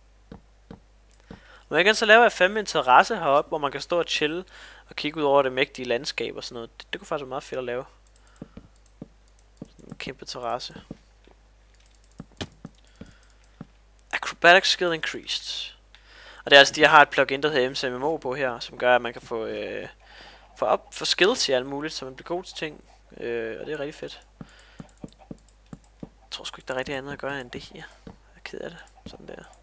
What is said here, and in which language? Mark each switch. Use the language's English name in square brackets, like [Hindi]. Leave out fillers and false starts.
[Danish] 2, 3, 4. Men igen, så laver jeg fandme en terrasse heroppe, hvor man kan stå og chill og kigge ud over det mægtige landskab og sådan noget. Det kunne faktisk være meget fedt at lave. Sådan en kæmpe terrasse. [English] Acrobatic skill increased. [Danish] Og det er altså det, jeg har et plugin, der hedder MCMMO på her, som gør, at man kan få for skills i alt muligt, så man bliver god til ting. Og det er rigtig fedt. Jeg tror sgu ikke, der er rigtig andet at gøre end det her. Jeg er ked af det. Sådan der.